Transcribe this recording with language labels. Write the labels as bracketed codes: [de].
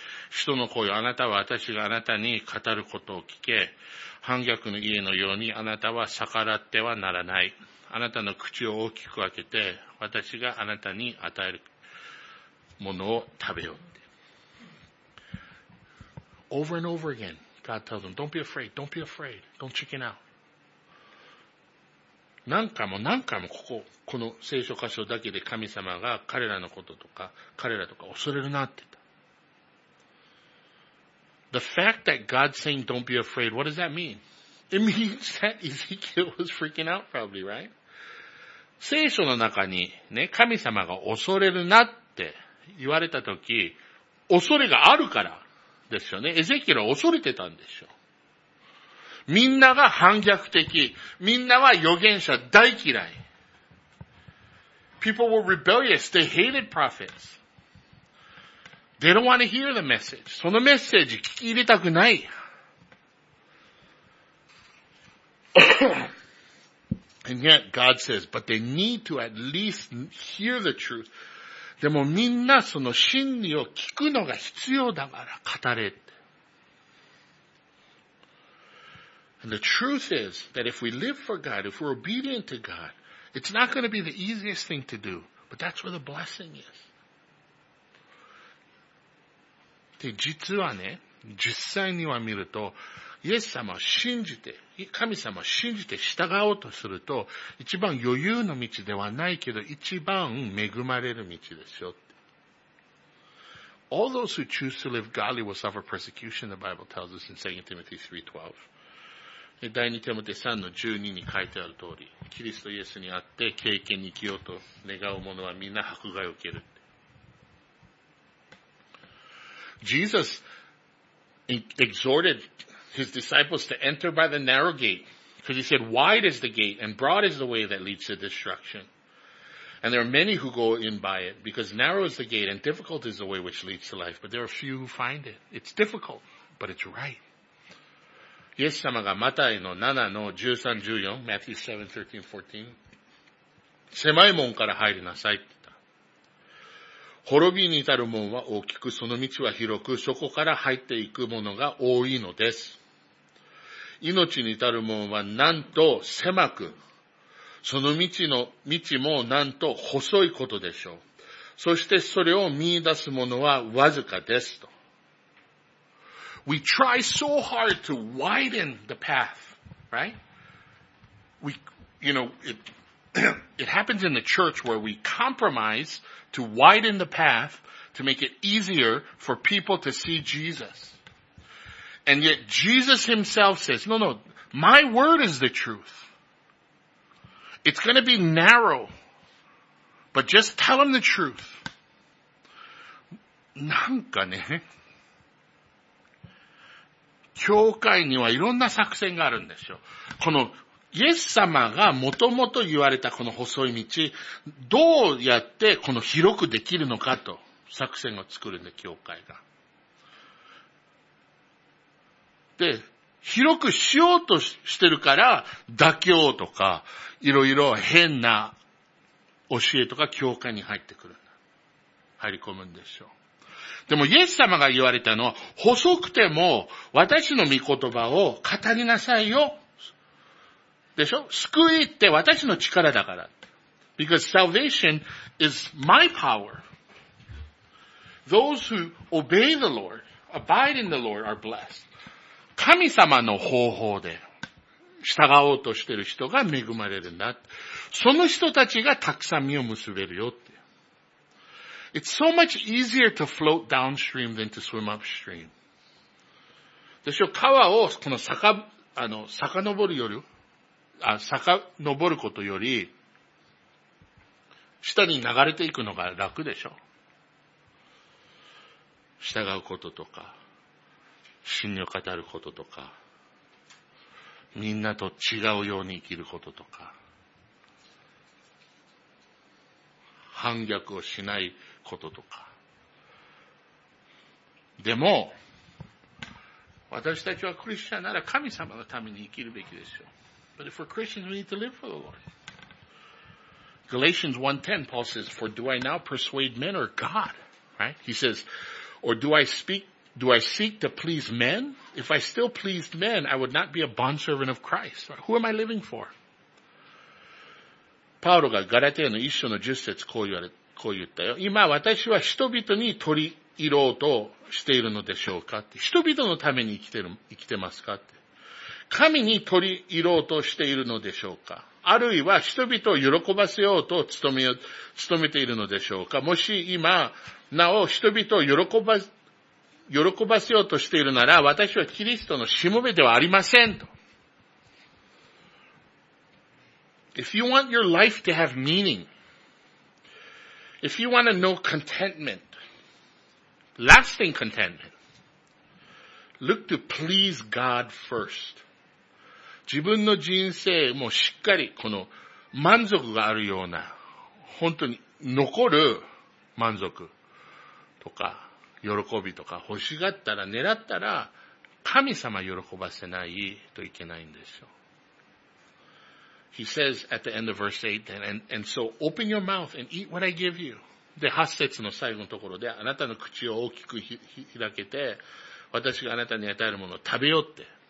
[ja] 人の声、あなたは私があなたに語ることを聞け。反逆の家のようにあなたは逆らってはならない。あなたの口を大きく開けて、私があなたに与えるものを食べよう。 [en] Over and over again, God tells them, don't be afraid, don't be afraid, don't chicken out. [ja] 何回も何回もこの聖書箇所だけで神様が彼らのこととか、彼らとか恐れるなって言った。 [en] The fact that God saying don't be afraid, what does that mean? It means that Ezekiel was freaking out probably, right? [ja] 聖書の中にね、神様が恐れるなって言われたとき、恐れがあるからですよね。エゼキエルは恐れてたんでしょ。みんなが反逆的。みんなは預言者大嫌い。 [en] People were rebellious. They hated prophets. They don't want to hear the message. [ja] そのメッセージ聞き入れたくない。 [en] And yet, God says, but they need to at least hear the truth. [ja] でもみんなその真理を聞くのが必要だから語れって。 [en] And the truth is that if we live for God, if we're obedient to God, it's not going to be the easiest thing to do, but that's where the blessing is. [ja] で、実はね、実際には見ると、イエス様を信じて、神様を信じて従おうとすると、一番余裕の道ではないけど、一番恵まれる道ですよって。 [en] All those who choose to live godly will suffer persecution, the Bible tells us in 2 Timothy 3:12. [ja] 第2テモテ3の12に書いてある通り、キリストイエスにあって敬虔に生きようと願う者はみんな迫害を受ける。 [en] Jesus exhorted his disciples to enter by the narrow gate, because he said, wide is the gate and broad is the way that leads to destruction. And there are many who go in by it, because narrow is the gate and difficult is the way which leads to life, but there are few who find it. It's difficult, but it's right. [ja] イエス様がマタイの7の13、14、Matthew 7:13-14、狭い門から入りなさい。滅びに至る門は大きく、その道は広く、そこから入っていく者が多いのです。命に至る門はなんと狭く、その道もなんと細いことでしょう。そしてそれを見出す者はわずかですと。 [en] We try so hard to widen the path, right? It happens in the church where we compromise to widen the path to make it easier for people to see Jesus. And yet Jesus himself says, no, my word is the truth. It's going to be narrow, but just tell them the truth. [ja] なんかね、教会にはいろんな作戦があるんですよ。このイエス様がもともと言われたこの細い道、どうやってこの広くできるのかと作戦を作るんで、教会が。で、広くしようとしてるから、妥協とか、いろいろ変な教えとか教会に入ってくるんだ。入り込むんでしょう。でもイエス様が言われたのは、細くても私の御言葉を語りなさいよ。でしょ？救いって私の力だから。 [en] Because salvation is my power. Those who obey the Lord, abide in the Lord are blessed. [ja] 神様の方法で従おうとしている人が恵まれるんだ。その人たちがたくさん実を結べるよって。 [en] It's so much easier to float downstream than to swim upstream. [ja] でしょ？川をこの遡るより遡ることより、下に流れていくのが楽でしょ。従うこととか、真理を語ることとか、みんなと違うように生きることとか、反逆をしないこととか。でも、私たちはクリスチャンなら神様のために生きるべきでしょ。 [en] But if we're Christians, we need to live for the Lord. Galatians 1:10, Paul says, for do I now persuade men or God? Right? He says, or do I seek to please men? If I still pleased men, I would not be a bondservant of Christ. Who am I living for? [ja] パウロがガラテヤの一章の十節こう言ったよ。今私は人々に取り入ろうとしているのでしょうかって。人々のために生きてますかって。神に取り入ろうとしているのでしょうか？あるいは人々を喜ばせようと努めているのでしょうか？もし今、なお人々を喜ばせようとしているなら、私はキリストのしもべではありませんと。 [en] If you want your life to have meaning, if you want to know contentment, lasting contentment, look to please God first. [ja] 自分の人生もしっかりこの満足があるような本当に残る満足とか喜びとか欲しがったら狙ったら神様喜ばせないといけないんですよ。 [en] He says at the end of verse 8, and so open your mouth and eat what I give you. [ja] で、8節の最後のところであなたの口を大きく開けて私があなたに与えるものを食べようって。